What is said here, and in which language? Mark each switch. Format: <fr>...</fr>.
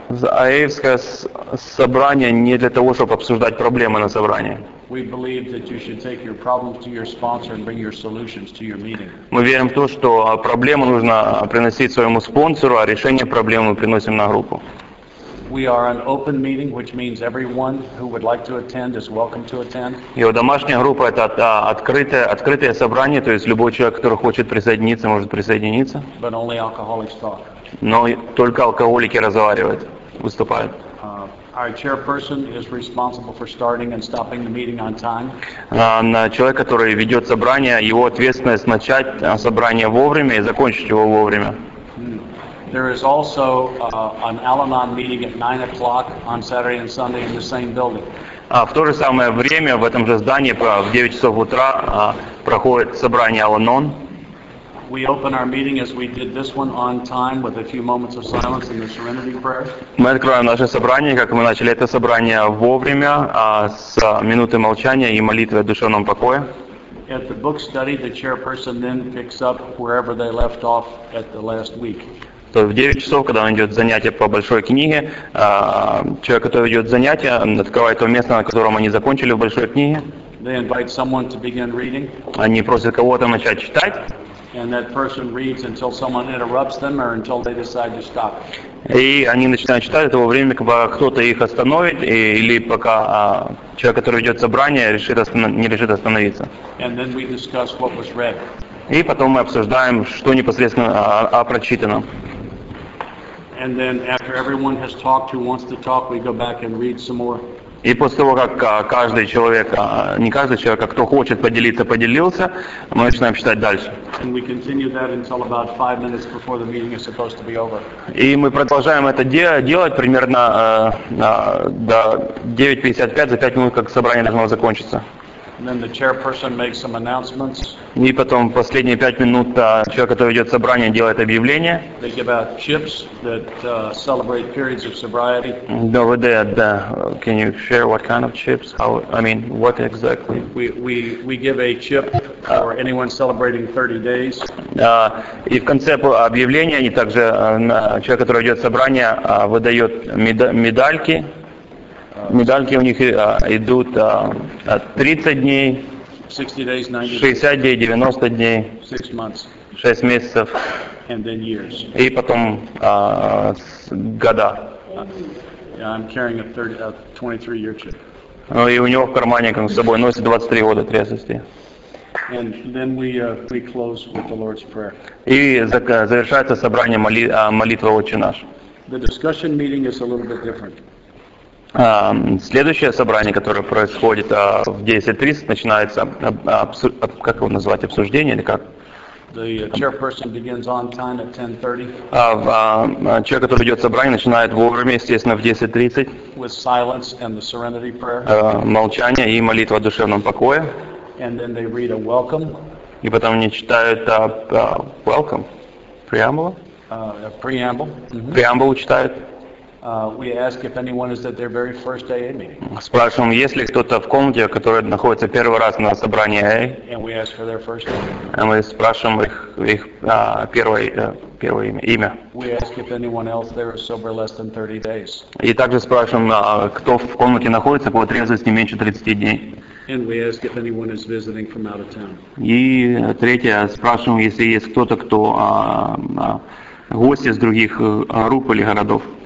<ru>Аэльское собрание не для того, чтобы обсуждать проблемы на собрании.</ru> <en>We believe that you should take your problems to your sponsor and bring your solutions to your meeting.</en> <ru>Мы верим в то, что проблему нужно приносить своему спонсору, а решение проблемы приносим на группу.</ru> <en>We are an open meeting, which means everyone who would like to attend is welcome to attend.</en> <ru>Его домашняя группа это открытое собрание, то есть любой человек, который хочет присоединиться, может присоединиться.</ru> <en>But only alcoholics talk.</en> <ru>Но только алкоголики разговаривают, выступают.</ru> <en>Our chairperson is responsible for starting and stopping the meeting on time.</en> <ru>Человек, который ведет собрание, его ответственность начать собрание вовремя и закончить его вовремя.</ru> <en>There is also an Al-Anon meeting at 9 o'clock on Saturday and Sunday in the same building.</en> <ru>В то же самое время в этом же здании в 9 часов утра проходит собрание Al-Anon.</ru> <en>We open our meeting as we did this one on time with a few moments of silence and the Serenity Prayer.</en> <ru>Мы открываем наше собрание, как мы начали это собрание вовремя, с минуты молчания и молитвы о душевном покое.</ru> <en>At the book study, the chairperson then picks up wherever they left off at the last week.</en> <ru>То в 9 часов, когда он идет занятие по большой книге, человек, который ведет занятие, открывает то место, на котором они закончили в большой книге.</ru> <en>They invite someone to begin reading.</en> <ru>Они просят кого-то начать читать.</ru> <en>And that person reads until someone interrupts them or until they decide to stop.</en> <ru>И они начинают читать до того времени, когда кто-то их остановит, или пока человек, который ведет собрание, не решит остановиться.</ru> <en>And then we discuss what was read.</en> <ru>И потом мы обсуждаем, что непосредственно о прочитанном.</ru> <en>And then after everyone has talked who wants to talk, we go back and read some more.</en> <ru>И после того, как каждый человек, не каждый человек, а кто хочет поделиться, поделился, мы начинаем читать дальше.</ru> <en>And we continue that until about 5 minutes before the meeting is supposed to be over.</en> <ru>И мы продолжаем это делать примерно до 9:55, за 5 минут, как собрание должно закончиться.</ru> <en>Then the chairperson makes some announcements.</en> <ru>И потом последние 5 минут человек, который ведет собрание, делает объявление.</ru> <en>They give out chips that celebrate periods of sobriety. No, we did. Can you share what kind of chips? How? I mean, what exactly? We give a chip for anyone celebrating 30 days.</en> <ru>И в конце объявления они также человек, который ведет собрание, выдает медальки. Медальки у них идут 30 дней,</ru> <en>60 days, 90</en> <ru>days, 60 дней, 90 дней,</ru> <en>6 months,</en> <ru>6 месяцев,</ru> <en>and then years.</en> <ru>И потом года.</ru> <en>Yeah, I'm carrying a 23-year chip.</en> <ru>Ну и у него в кармане, как с собой, носит 23 года трезвости.</ru> <en>And then we close with the Lord's Prayer.</en> <ru>И завершается собрание молитвы «Отче наш».</ru> <en>The discussion meeting is a little bit different.</en> <ru>Следующее собрание, которое происходит в 10:30, начинается как его назвать, обсуждение или как?</ru> <en>The chairperson begins on time at 10:30.</en> <ru>Человек, который ведет собрание, начинает вовремя, естественно, в 10:30.</ru> <en>With silence and the serenity prayer.</en> <ru>Молчание и молитва о душевном покое.</ru> <en>And then they read a welcome.</en> <ru>И потом они читают welcome, преамбула. Преамбул. Преамбулу читают.</ru> <en>We ask if anyone is at their very first AA meeting.</en> <ru>Спрашиваем, есть ли кто-то в комнате, который находится первый раз на собрании AA.</ru> <en>And we ask for their first name.</en> <ru>А мы спрашиваем их первое имя.</ru> <en>We ask if anyone else there is sober less than 30 days.</en> <ru>И также спрашиваем, кто в комнате находится по трезвости меньше 30 дней.</ru> <en>And we ask if anyone is visiting from out of town.</en> <ru>И третье, спрашиваем, если есть кто-то, кто гость из других групп или городов.</ru>